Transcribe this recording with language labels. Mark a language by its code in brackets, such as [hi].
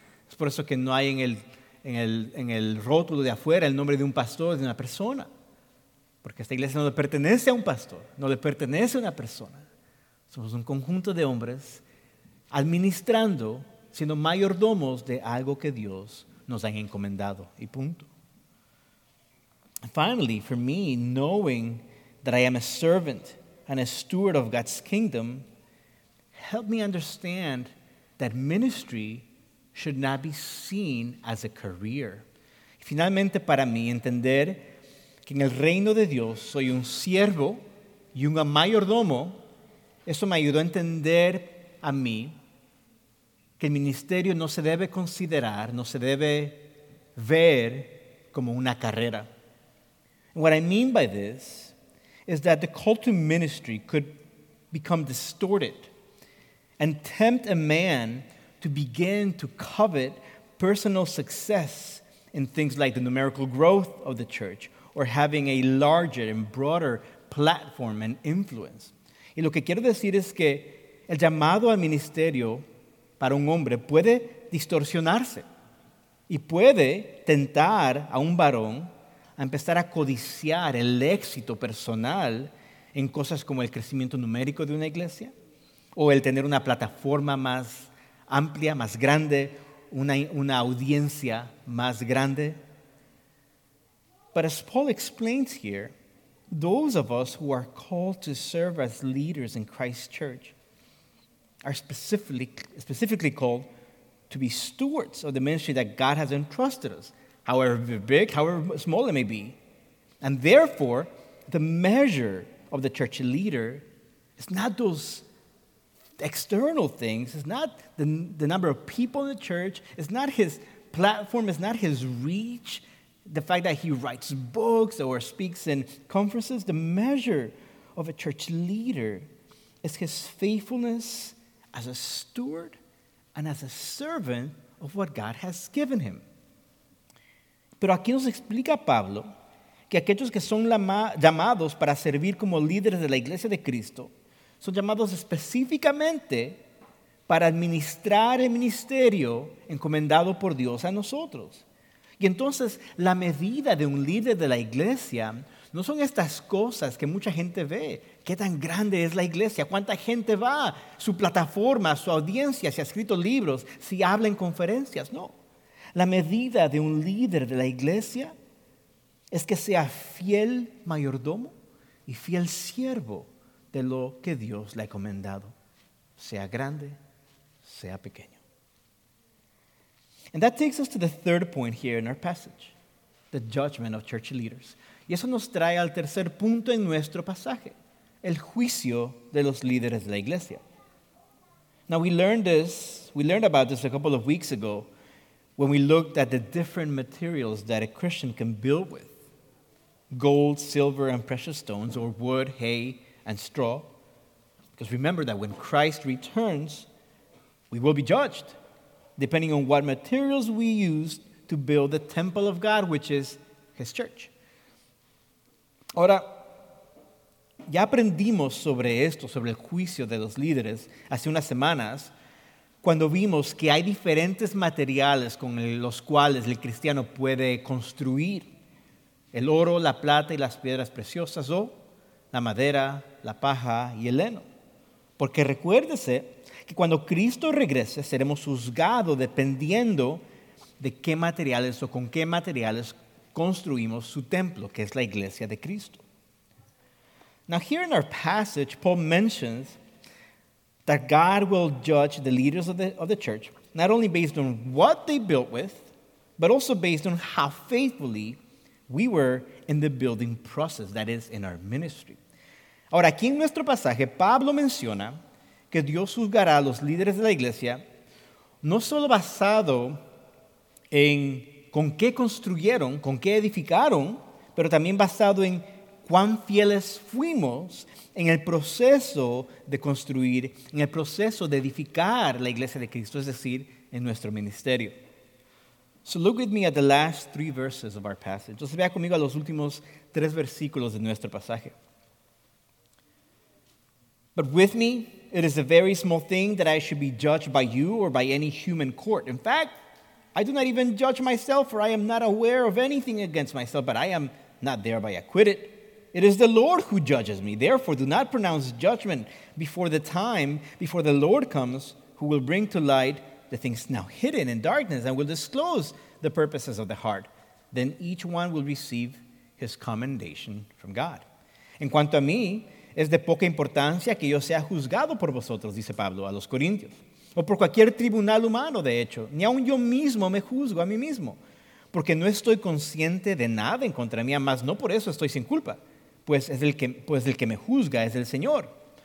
[es] Es por eso que no hay en el rótulo de afuera el nombre de un pastor, de una persona. Porque esta iglesia no le pertenece a un pastor, no le pertenece a una persona. Somos un conjunto de hombres administrando, siendo mayordomos de algo que Dios nos ha encomendado. Y punto. [en] Finally, for me, knowing that I am a servant and a steward of God's kingdom, help me understand that ministry should not be seen as a career. [es] Finalmente, para mí, entender que en el reino de Dios soy un siervo y un mayordomo, eso me ayudó a entender a mí que el ministerio no se debe considerar, no se debe ver como una carrera. [en] And what I mean by this is that the call to ministry could become distorted and tempt a man to begin to covet personal success in things like the numerical growth of the church or having a larger and broader platform and influence. [es] Y lo que quiero decir es que el llamado al ministerio para un hombre puede distorsionarse y puede tentar a un varón a empezar a codiciar el éxito personal en cosas como el crecimiento numérico de una iglesia o el tener una plataforma más amplia, más grande, una audiencia más grande. [en] But as Paul explains here, those of us who are called to serve as leaders in Christ's church are specifically called to be stewards of the ministry that God has entrusted us, however big, however small it may be. And therefore, the measure of the church leader is not those external things. It's not the number of people in the church. It's not his platform. It's not his reach. The fact that he writes books or speaks in conferences. The measure of a church leader is his faithfulness as a steward and as a servant of what God has given him. [es] Pero aquí nos explica Pablo que aquellos que son llamados para servir como líderes de la iglesia de Cristo son llamados específicamente para administrar el ministerio encomendado por Dios a nosotros. Y entonces la medida de un líder de la iglesia no son estas cosas que mucha gente ve. ¿Qué tan grande es la iglesia? ¿Cuánta gente va? ¿Su plataforma, su audiencia, si ha escrito libros, si habla en conferencias? No. La medida de un líder de la iglesia es que sea fiel mayordomo y fiel siervo de lo que Dios le ha encomendado, sea grande, sea pequeño. [en] And that takes us to the third point here in our passage, the judgment of church leaders. [es] Y eso nos trae al tercer punto en nuestro pasaje, el juicio de los líderes de la iglesia. [en] Now we learned about this a couple of weeks ago when we looked at the different materials that a Christian can build with. Gold, silver, and precious stones, or wood, hay, and straw. Because remember that when Christ returns, we will be judged, depending on what materials we used to build the temple of God, which is His church. [es] Ahora, ya aprendimos sobre esto, sobre el juicio de los líderes, hace unas semanas, cuando vimos que hay diferentes materiales con los cuales el cristiano puede construir. El oro, la plata y las piedras preciosas, o la madera, la paja y el heno. Porque recuérdese que cuando Cristo regrese, seremos juzgados dependiendo de qué materiales o con qué materiales construimos su templo, que es la iglesia de Cristo. [en] Now here in our passage, Paul mentions that God will judge the leaders of the church, not only based on what they built with, but also based on how faithfully we were in the building process, that is, in our ministry. [es] Ahora, aquí en nuestro pasaje, Pablo menciona que Dios juzgará a los líderes de la iglesia no solo basado en con qué construyeron, con qué edificaron, pero también basado en cuán fieles fuimos en el proceso de construir, en el proceso de edificar la iglesia de Cristo, es decir, en nuestro ministerio. [en] So look with me at the last three verses of our passage. [es] Entonces vea conmigo a los últimos tres versículos de nuestro pasaje. [en] But with me, it is a very small thing that I should be judged by you or by any human court. In fact, I do not even judge myself, for I am not aware of anything against myself, but I am not thereby acquitted. It is the Lord who judges me. Therefore, do not pronounce judgment before the time, before the Lord comes, who will bring to light the things now hidden in darkness, and will disclose the purposes of the heart, then each one will receive his commendation from God. [es] En cuanto a mí, es de poca importancia que yo sea juzgado por vosotros, dice Pablo a los Corintios, o por cualquier tribunal humano, de hecho, ni aun yo mismo me juzgo a mí mismo, porque no estoy consciente de nada en contra mía, mas no por eso estoy sin culpa, pues el que me juzga es el Señor.